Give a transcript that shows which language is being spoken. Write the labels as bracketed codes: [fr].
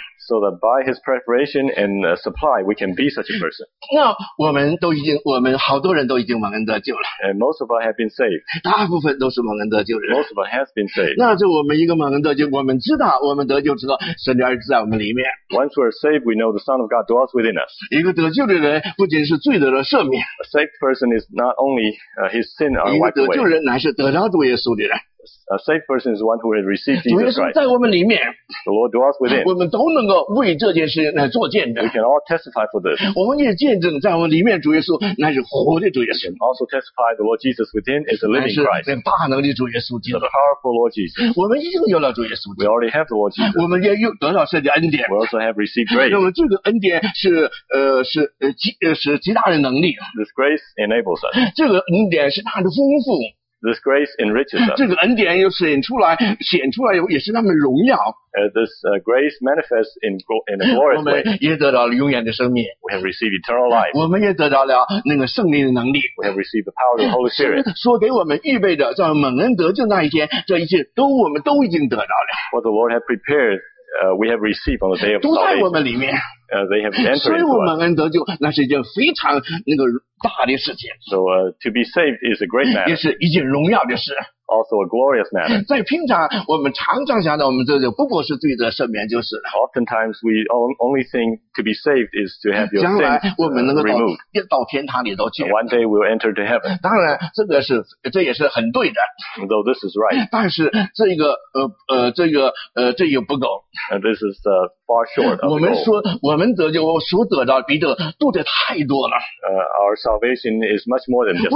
[en] So that by his preparation and supply, we can be such a person. [zh] 那我们好多人都已经蒙恩得救了。 [en] And most of us have been saved. [zh] 大部分都是蒙恩得救的。 [en] Most of us has been saved. [zh] 那就我们一个蒙恩得救, 我们知道我们得救之后神的儿子在我们里面。 [en] Once we are saved, we know the Son of God dwells within us. [zh] 一个得救的人不仅是罪得了赦免, [en] a saved person is not only his sin are wiped away. [zh] 一个得救人乃是得到主耶稣的人。 [en] A safe person is one who has received Jesus Christ. [zh] 在我们里面, [en] the Lord dwells within. [zh] 我们都能够为这件事来做见证。 [en] We can all testify for this. [zh] 我们也见证在我们里面, 主耶稣, 乃是活的主耶稣。 [en] We can also testify the Lord Jesus within is a living Christ. [zh] 乃是大能的主耶稣基督。 [en] The powerful Lord Jesus. [zh] 我们已经有了主耶稣基督。 [en] We already have the Lord Jesus. [zh] 我们也有得到圣的恩典。 [en] We also have received grace. [zh] 那么这个恩典是, 是极大的能力。 [en] This grace enables us. [zh] 这个恩典是大的丰富。 [en] This grace enriches us. [zh] 这个恩典又显出来, 显出来也是那么荣耀。 [en] This grace manifests in a glorious way. [zh] 我们也得到了永远的生命。 [en] We have received eternal life. [zh] 我们也得到了那个圣灵的能力。 [en] We have received the power of the Holy Spirit. [zh] 说给我们预备的, 在蒙恩得救那一天, 这一切都, 我们都已经得到了。 [en] What the Lord has prepared, we have received on the day of salvation. [zh] 都在我们里面。 [en] They have entered into us. [zh] 所以我们恩得救, 那是一件非常那个大的事情。 [en] So to be saved is a great matter. [zh] 也是一件荣耀的事。 [en] also a glorious manner. [zh] 在平常我们常常想到我们这就不过是罪得赦免就是了。 [en] Oftentimes we only think to be saved is to have your sins removed. [zh] 将来我们能够 到天堂里头去。 [en] One day we'll enter to heaven. [zh] 当然这个是这也是很对的。 [en] Though this is right. [zh] 但是这个这个这也不够。 [en] And this is far short of the goal. [zh] 我们说我们得救所得到比得多的太多了。 [en] Our salvation is much more than just that.